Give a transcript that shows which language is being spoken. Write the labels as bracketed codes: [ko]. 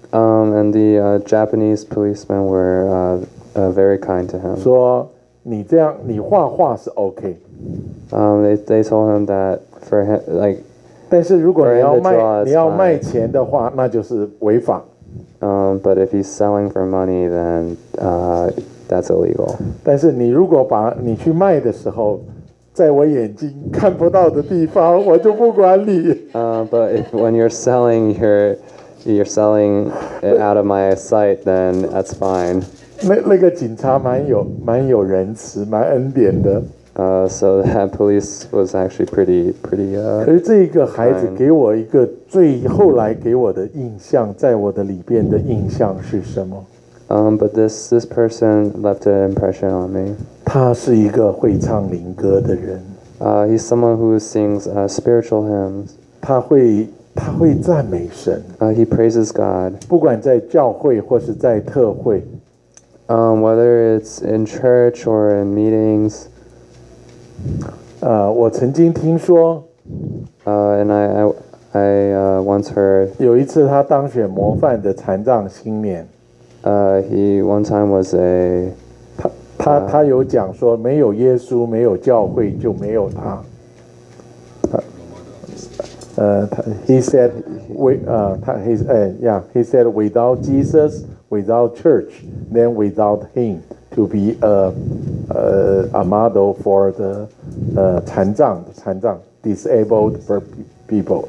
[en] And the Japanese policemen were very kind to him. [zh] 说你这样，你画画是 OK。 [en] They told him that for him, like, [zh] 但是如果你要卖钱的话，那就是违法。 [en] But if he's selling for money, then that's illegal. [zh] 但是你如果把你去卖的时候，在我眼睛看不到的地方，我就不管你。 [en] But if when you're selling, you're selling it out of my sight, then that's fine. [zh] 那个警察蛮有仁慈，蛮恩典的。 [en] So that police was actually pretty. [zh] 可是这个孩子给我一个最后来给我的印象，在我的里边的印象是什么？ [en] But this person left an impression on me. [zh] 他是一个会唱灵歌的人。 [en] He's someone who sings spiritual hymns. [zh] 他会赞美神。 [en] He praises God. [zh] 不管在教会或是在特会。 [en] Whether it's in church or in meetings. [zh] 我曾经听说。 [en] And I once heard. [zh] 有一次他当选模范的残障青年。 [en] He one time was a. [zh] 他有讲说没有耶稣没有教会就没有他。 [en] He said without Jesus, without church, then without him to be a model for the [zh] 残障 [en] disabled people.